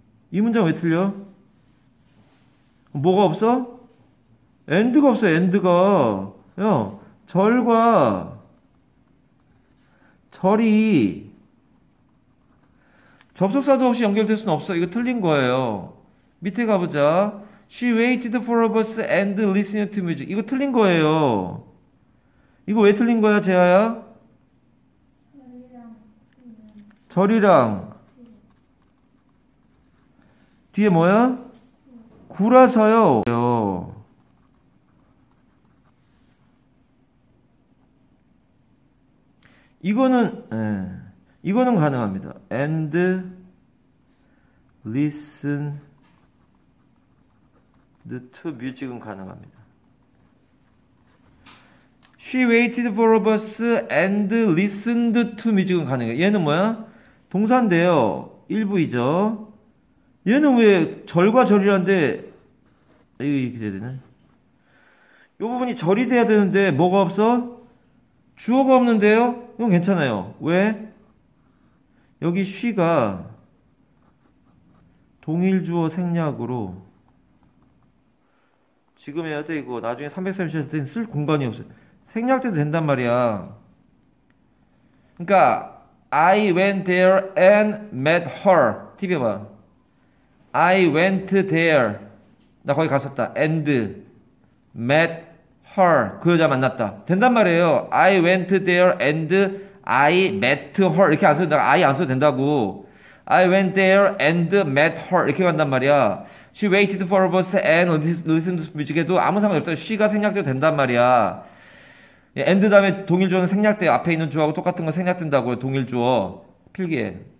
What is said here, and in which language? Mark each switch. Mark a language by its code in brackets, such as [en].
[ko] 이 문장 왜 틀려? 뭐가 없어? 엔드가 없어. 엔드가. 야, 절과 절이 접속사도 없이 연결될 수는 없어. 이거 틀린 거예요. 밑에 가보자. [en] She waited for a bus and listened to music. [ko] 이거 틀린 거예요. 이거 왜 틀린 거야, 재하야? 절이랑 뒤에 뭐야? 구라서요. 이거는 예, 이거는 가능합니다. [en] And listen to music은 [ko] 가능합니다. [en] She waited for a bus and listened to music은 [ko] 가능해요. 얘는 뭐야? 동사인데요. 일부이죠. 얘는 왜 절과 절이라는데 이거 이렇게 돼야 되나? 이 부분이 절이 돼야 되는데 뭐가 없어? 주어가 없는데요? 이건 괜찮아요. 왜? 여기 she가 동일주어 생략으로 지금 해야 돼. 이거 나중에 330일 때는 쓸 공간이 없어요. 생략돼도 된단 말이야. 그러니까 [en] I went there and met her. [ko] TV 봐. [en] I went there. [ko] 나 거기 갔었다. [en] And met her. [ko] 그 여자 만났다. 된단 말이에요. [en] I went there and I met her. [ko] 이렇게 안 써도 된다. [en] I [ko] 안 써도 된다고. [en] I went there and met her. [ko] 이렇게 간단 말이야. [en] She waited for a bus and listened to music. [ko] 해도 아무 상관이 없다. She가 생략돼도 된단 말이야. And 다음에 동일주어는 생략돼요. 앞에 있는 주어하고 똑같은 거 생략된다고요. 동일주어. 필기에.